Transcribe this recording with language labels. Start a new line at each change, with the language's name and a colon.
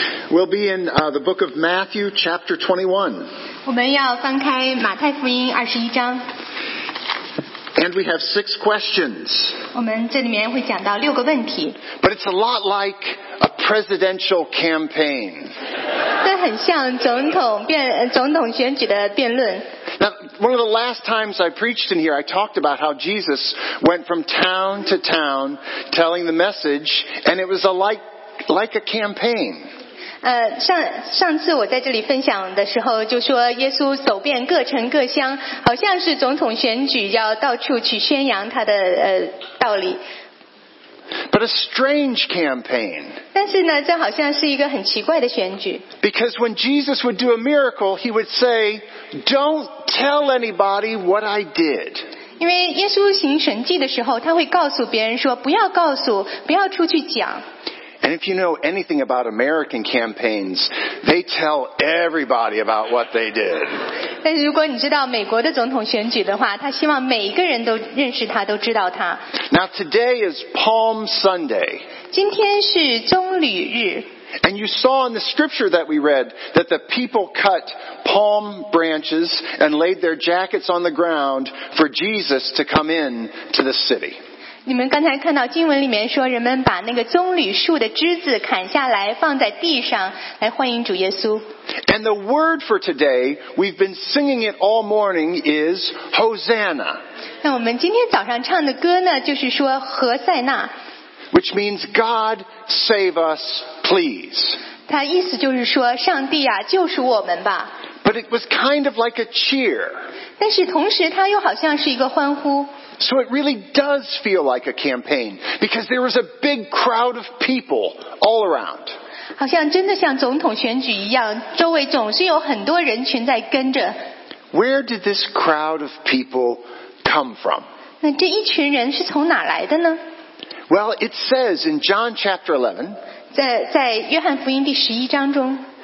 English: We'll be in the book of Matthew, chapter 21.
Chinese: 我们要翻开马太福音21章。
English: And we have six questions.
Chinese: 我们这里面会讲到六个问题。
English: But it's a lot like a presidential campaign.
Chinese: 这很像总统选举的辩论。
English: Now, one of the last times I preached in here, I talked about how Jesus went from town to town telling the message, and it was a like a campaign.
Chinese: 上次我在这里分享的时候就说耶稣走遍各城各乡，好像是总统选举要到处去宣扬他的道理。
English: But a strange campaign.
Chinese: 但是呢，这好像是一个很奇怪的选举。
English: Because when Jesus would do a miracle, he would say, "Don't tell anybody what I did."
Chinese: 因为耶稣行神迹的时候，他会告诉别人说，不要告诉，不要出去讲。
English: And if you know anything about American campaigns, they tell everybody about what they did.
Chinese: 但是如果你知道美国的总统选举的话，他希望每一个人都认识他，都知道他。
English: Now today is Palm Sunday.
Chinese: 今天是棕榈日。
English: And you saw in the scripture that we read that the people cut palm branches and laid their jackets on the ground for Jesus to come in to the city.
Chinese: 你们刚才看到经文里面说，人们把那个棕榈树的枝子砍下来放在地上，来欢迎主耶稣。
English: And the word for today, we've been singing it all morning, is Hosanna.
Chinese: 那我们今天早上唱的歌呢，就是说何塞纳。
English: Which means God save us, please.
Chinese: 它意思就是说，上帝啊，救赎我们吧。
English: But it was kind of like a cheer.
Chinese: 但是同时，它又好像是一个欢呼。
English: So it really does feel like a campaign because there was a big crowd of people all around.
Chinese: 好像真的像总统选举一样，周围总是有很多人群在跟着。
English: Where did this crowd of people come from?
Chinese: 那这一群人是从哪来的呢？
English: Well, it says in John chapter 11,
Chinese: 在约翰福音第十一章中。